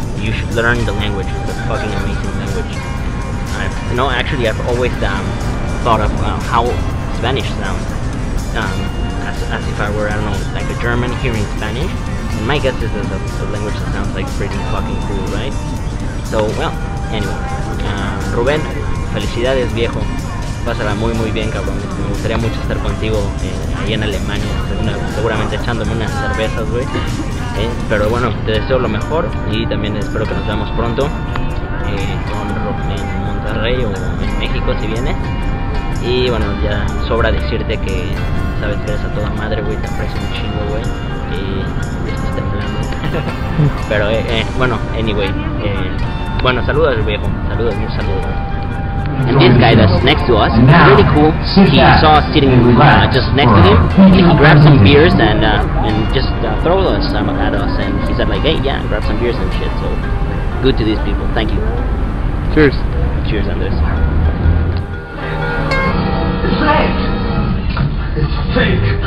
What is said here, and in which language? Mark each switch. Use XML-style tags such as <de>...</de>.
<en>You should learn the language. It's a fucking amazing language. I've always thought of how Spanish sounds, as if I were, I don't know, like a German hearing Spanish. And my guess is that the language that sounds like pretty fucking cool, right? So well, anyway.</en> <es>Rubén, felicidades viejo, pásala muy muy bien cabrón, me gustaría mucho estar contigo ahí en Alemania, seguramente echándome unas cervezas güey, pero bueno, te deseo lo mejor y también espero que nos veamos pronto con Rubén en Monterrey o en México si viene, y bueno, ya sobra decirte que sabes que eres a toda madre güey, te aprecio un chingo güey, y estás temblando, pero bueno, anyway, bueno, saludos viejo, saludos, un saludo.</es> <en>And this guy that's next to us, really cool, he saw us sitting just next to him, and he grabbed some beers and just throw some at us, and he said like, hey, yeah, grab some beers and shit, so good to these people, thank you. Cheers. Cheers, Andres. It's fake. It's fake.</en>